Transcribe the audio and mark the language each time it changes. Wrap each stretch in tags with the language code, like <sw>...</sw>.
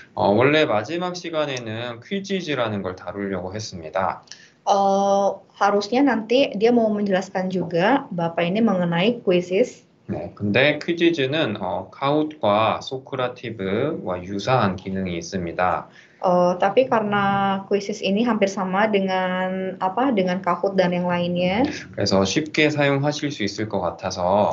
<ko>원래 마지막 시간에는 퀴즈라는 걸 다루려고 했습니다.</ko> <id>Harusnya nanti dia mau menjelaskan juga Bapak ini mengenai quizzes.</id> <ko>네, 근데 퀴즈즈는 카웃과 소크라티브와 유사한 기능이 있습니다.</ko> <id>Tapi karena quizzes ini hampir sama dengan apa dengan Kahoot dan yang lainnya.</id> <ko>그래서 쉽게 사용하실 수 있을 것 같아서.</ko>